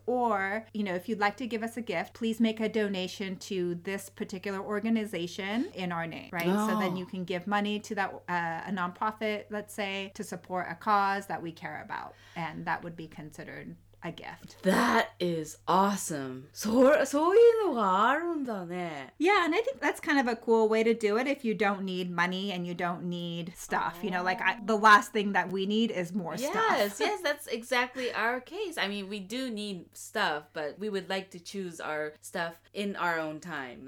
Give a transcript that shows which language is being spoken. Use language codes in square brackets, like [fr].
[en] Or, you know, if you'd like to give us a gift, please make a donation to this particular organization in our name, right? So then you can give money to that, a nonprofit, let's say, to support a cause that we care about. And that would be considered a gift. That is awesome. [ja] そういうのがあるんだね。 [en] Yeah, and I think that's kind of a cool way to do it if you don't need money and you don't need stuff. Oh. You know, like the last thing that we need is more stuff. Yes, yes, that's exactly our case. I mean, we do need stuff, but we would like to choose our stuff in our own time.